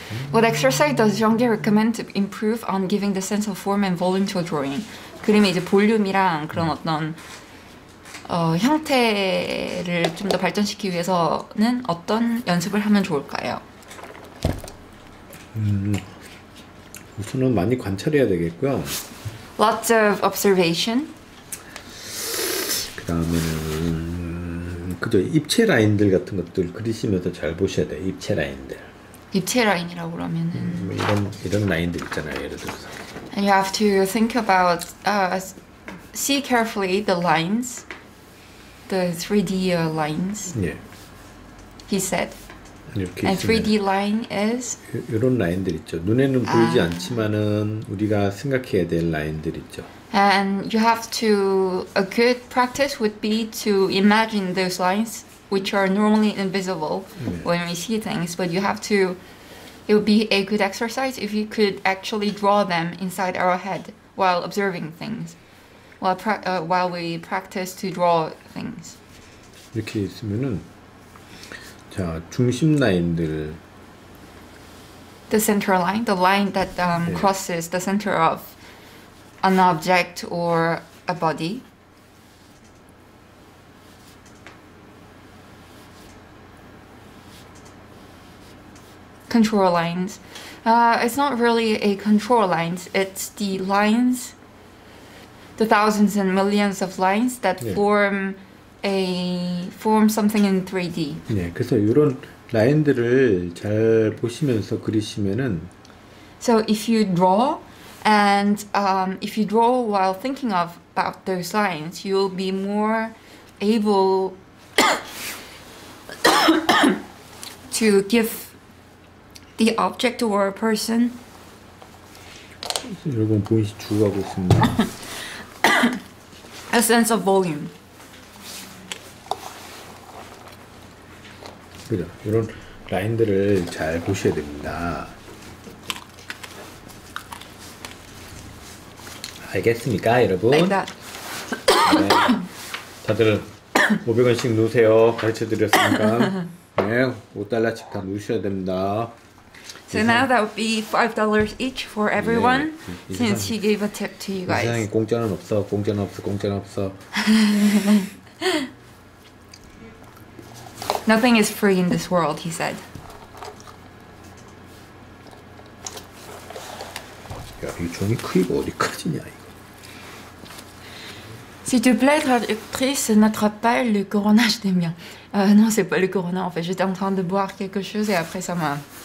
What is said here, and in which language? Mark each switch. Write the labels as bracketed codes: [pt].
[en] What exercise does Jeongi recommend to improve on giving the sense of form and volume to a drawing? [ko] 그림의 이제 볼륨이랑 그런 어떤 형태를 좀 더 발전시키기 위해서는 어떤 연습을 하면 좋을까요? 우선은 많이 관찰해야 되겠고요. [en] Lots of observation. [ko] 그 다음에는 그죠 입체 라인들 같은 것들 그리시면서 잘 보셔야 돼요. 입체 라인들. 입체 라인이라고 그러면은 이런 라인들 있잖아요. 예를 들어서. [en] And you have to think about, see carefully the lines, the 3D lines. [ko] 예. [en] He said. And 3D line is? [ko] 이런 라인들 있죠. 눈에는 보이지 않지만은 우리가 생각해야 될 라인들 있죠. [en] And you have to, a good practice would be to imagine those lines which are normally invisible when we see things, but you have to, it would be a good exercise if you could actually draw them inside our head while observing things, while we practice to draw things. [ko] 이렇게 있으면은 자, 중심 라인들. [en] The center line, the line that crosses the center of an object or a body. [ko] 컨트롤 라인스. [en] It's not really a control lines. It's the lines, the thousands and millions of lines that form something in 3D. [ko] 네, 그래서 이런 라인들을 잘 보시면서 그리시면은. [en] So if you draw, and if you draw while thinking of about those lines, you'll be more able to give the object or a person. [ko] 여러분 보이시 주고하고 있습니다. [en] A sense of volume. [ko] 그렇죠. 이런 라인들을 잘 보셔야 됩니다. [en] I guess [ko] 니까 여러분. [en] Like that. 네. [ko] 다들 500원씩 넣으세요. 가르쳐 드렸으니까. 네. 5달러씩 다 넣으셔야 됩니다. [en] So now that would be $5 each for everyone, 네, since he gave a tip to you guys. [ko] 세상에 공짜는 없어, 공짜는 없어, 공짜는 없어. [en] Nothing is free in this world, he said. [ko] 야, 이 종이 크기가 어디까지냐, 이거. [fr] S'il te plaît, traductrice, n'attrape pas le corona, je t'aime bien. Non, c'est pas le corona, en fait. J'étais en train de boire quelque chose et après ça m'a...